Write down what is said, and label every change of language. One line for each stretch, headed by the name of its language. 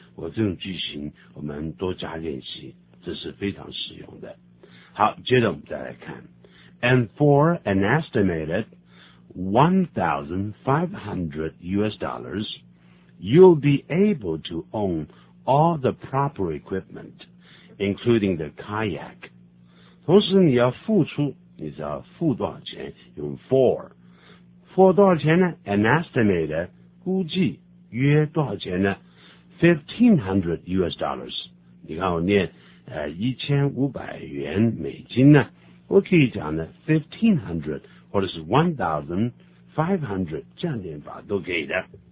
Chinese: 我这种句型我们多加练习，这是非常实用的。好，接着我们再来看。
English: And for an estimated $1,500 you'll be able to own all the proper equipment including the kayak。
Chinese: 同时你要付出，你知道付多少钱，用 for 多少钱呢？
English: An estimated
Chinese: 估计约多少钱呢？
English: $1,500。
Chinese: 你看我念1500元美金呢，我可以讲呢 1500 或者是1500，这样念法都可以的。